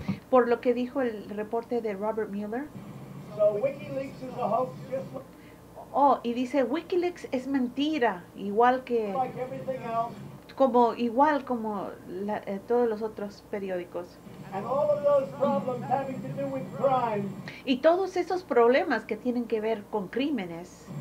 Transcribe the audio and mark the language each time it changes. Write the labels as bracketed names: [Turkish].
[Spanish] Por lo que dijo el reporte de Robert Mueller. [English] So, WikiLeaks is a hoax, just like, [Spanish] oh, y dice, WikiLeaks es mentira, igual que [English] like everything else, [Spanish] como igual como la, todos los otros periódicos. [English] And all of those problems having to do with crime, [Spanish] y todos esos problemas que tienen que ver con crímenes